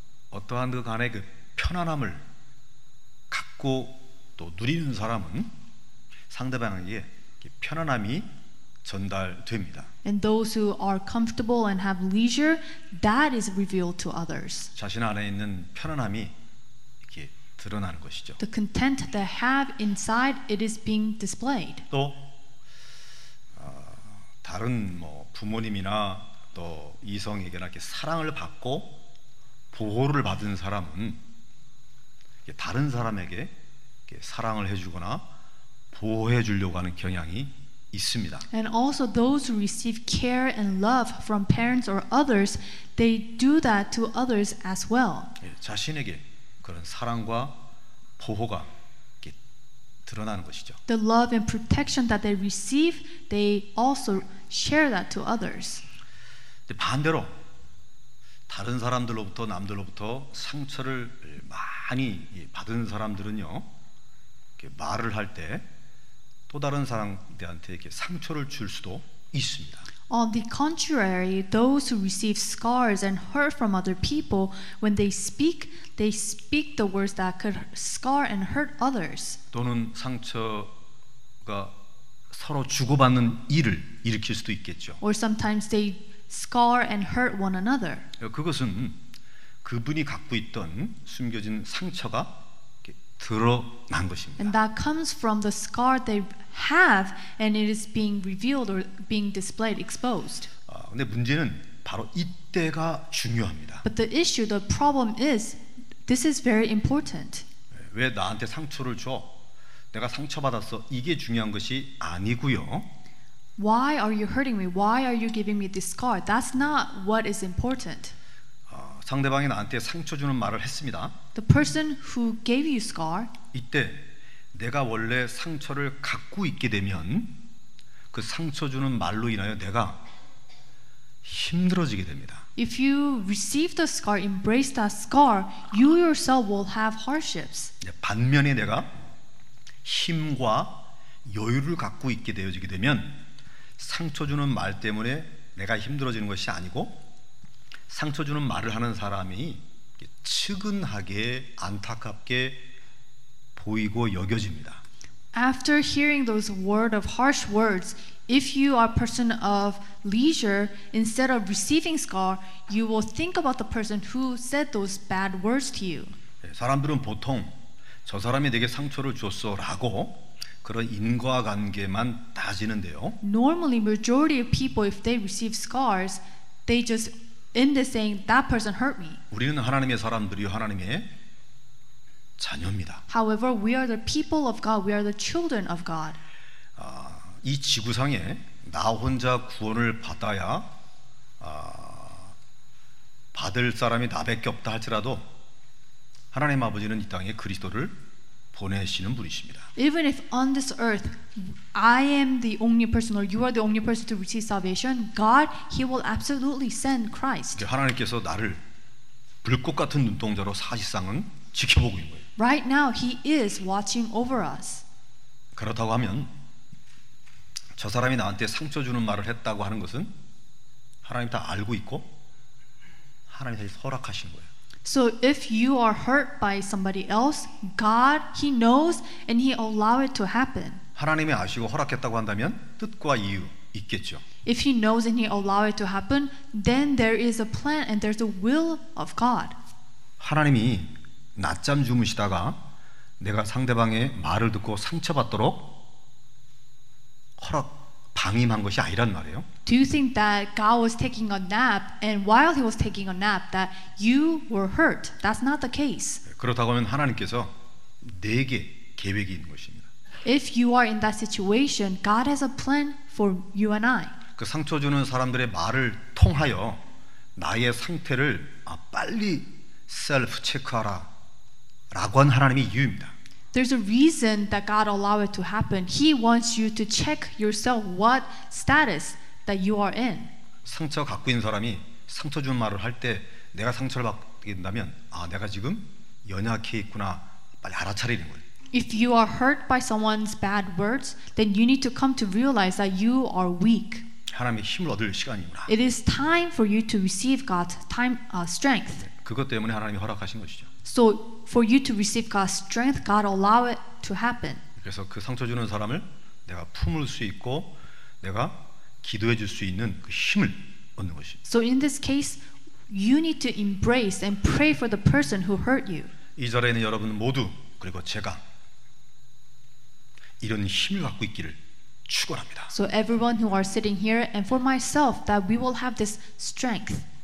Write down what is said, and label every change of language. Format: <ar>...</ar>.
<ko>어떠한 그 간에 그 편안함을 갖고 또 누리는 사람은 상대방에게 편안함이 전달됩니다.</ko> <en>And those who are comfortable and have leisure, that is revealed to others.</en> <ko>자신 안에 있는 편안함이 이렇게 드러나는 것이죠.</ko> <en>The content they have inside, it is being displayed.</en> <ko>또 다른 뭐 부모님이나 또 이성에게나 이렇게 사랑을 받고 보호를 받은 사람은 다른 사람에게 이렇게 사랑을 해주거나 보호해 주려고 하는 경향이 있습니다.</ko> <en>And also those who receive care and love from parents or others, they do that to others as well.</en> <ko>자신에게 그런 사랑과 보호가 드러나는 것이죠.</ko> <en>The love and protection that they receive, they also share that to others.</en> <ko>반대로 다른 사람들로부터 남들로부터 상처를 많이 받은 사람들은요, 말을 할 때 또 다른 사람들한테 이렇게 상처를 줄 수도 있습니다.</ko> <en>On the contrary, those who receive scars and hurt from other people, when they speak the words that could scar and hurt others.</en> <ko>또는 상처가 서로 주고받는 일을 일으킬 수도 있겠죠.</ko> <en>Or sometimes they scar and hurt one another.</en> <ko>그것은 그분이 갖고 있던 숨겨진 상처가 드러난 것입니다.</ko> <en>And that comes from the scar they have, and it is being revealed or being displayed, exposed.</en> <ko>근데 문제는 바로 이때가 중요합니다.</ko> <en>But the issue, the problem is This is very important.</en> <ko>왜 나한테 상처를 줘? 내가 상처받았어. 이게 중요한 것이 아니고요.</ko> <en>Why are you hurting me? Why are you giving me this scar? That's not what is important.</en> <ko>상대방이 나한테 상처 주는 말을 했습니다.</ko> <en>The person who gave you scar.</en> <ko>이때 내가 원래 상처를 갖고 있게 되면 그 상처 주는 말로 인하여 내가 힘들어지게 됩니다.</ko> <en>If you receive the scar, embrace that scar, you yourself will have hardships.</en> <ko>반면에 내가 힘과 여유를 갖고 있게 되어지게 되면 상처 주는 말 때문에 내가 힘들어지는 것이 아니고 상처 주는 말을 하는 사람이 측은하게 안타깝게 보이고 여겨집니다.</ko> <en>After hearing those words of harsh words, if you are a person of leisure, instead of receiving scar, you will think about the person who said those bad words to you.</en> <ko>사람들은 보통 저 사람이 내게 상처를 줬어라고 그런 인과관계만 따지는데요.</ko> <en>Normally, majority of people, if they receive scars, they just end up saying that person hurt me.</en> <ko>우리는 하나님의 사람들이요, 하나님의 자녀입니다.</ko> <en>However, we are the people of God. We are the children of God.</en> <ko>이 지구상에 나 혼자 구원을 받아야 받을 사람이 나밖에 없다 할지라도 하나님 아버지는 이 땅에 그리스도를 보내시는 분이십니다.</ko> <en>Even if on this earth I am the only person or you are the only person to receive salvation, God, He will absolutely send Christ.</en> <ko>하나님께서 나를 불꽃 같은 눈동자로 사실상은 지켜보고 있는 거예요.</ko> <en>Right now He is watching over us.</en> <ko>그렇다고 하면 저 사람이 나한테 상처 주는 말을 했다고 하는 것은 하나님 다 알고 있고 하나님 다 허락하신 거예요.</ko> <en>So if you are hurt by somebody else, God, He knows and He allow it to happen.</en> <ko>하나님이 아시고 허락했다고 한다면 뜻과 이유 있겠죠.</ko> <en>If He knows and He allow it to happen, then there is a plan and there's a will of God.</en> <ko>하나님이 낮잠 주무시다가 내가 상대방의 말을 듣고 상처받도록 허락 방임한 것이 아니란 말이에요.</ko> <en>Do you think that God was taking a nap and while He was taking a nap that you were hurt? That's not the case.</en> <ko>그렇다고 하면 하나님께서 내게 계획이 있는 것입니다.</ko> <en>If you are in that situation, God has a plan for you and I.</en> <ko>그 상처 주는 사람들의 말을 통하여 나의 상태를 빨리 셀프 체크하라 라고 한 하나님의 이유입니다.</ko> <en>There's a reason that God allowed it to happen. He wants you to check yourself what status that you are in.</en> <ko>상처 갖고 있는 사람이 상처 준 말을 할 때 내가 상처를 받게 된다면 아, 내가 지금 연약해 있구나. 빨리 알아차리는 거예요.</ko> <en>If you are hurt by someone's bad words, then you need to come to realize that you are weak.</en> <ko>하나님의 힘을 얻을 시간이구나.</ko> <en>It is time for you to receive God's strength.</en> <ko>그것 때문에 하나님이 허락하신 것이죠.</ko> <en>So for you to receive God's strength, God allow it to happen.</en> <ko>그래서 그 상처 주는 사람을 내가 품을 수 있고 내가 기도해 줄 수 있는 그 힘을 얻는 것이.</ko> <en>So in this case, you need to embrace and pray for the person who hurt you.</en> <ko>이 자리에는 여러분 모두 그리고 제가 이런 힘을 갖고 있기를 축원합니다.</ko> <en>So everyone who are sitting here and for myself that we will have this strength.</en>